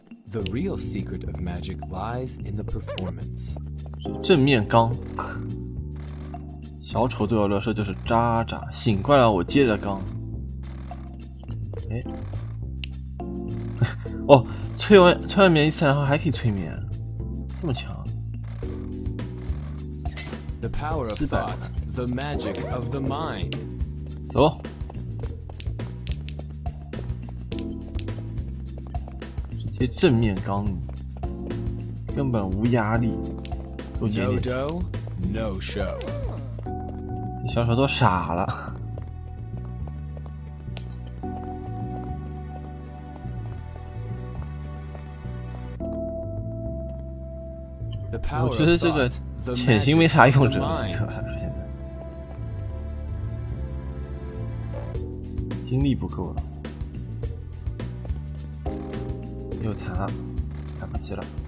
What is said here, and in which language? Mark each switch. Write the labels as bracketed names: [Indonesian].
[English] The real secret of magic lies in the performance. [Chinese] 正面刚。小丑对我来说就是渣渣，醒过来我接着刚。哎，哦，催眠一次，然后还可以催眠，这么强。 [English] The power of thought, the magic of the mind. [Chinese] 走。直接正面刚，根本无压力，多接点。 [English] No dough, no show. [Chinese] 小丑都傻了。我觉得这个潜行没啥用，这个现在精力不够了，又残了，来不及了。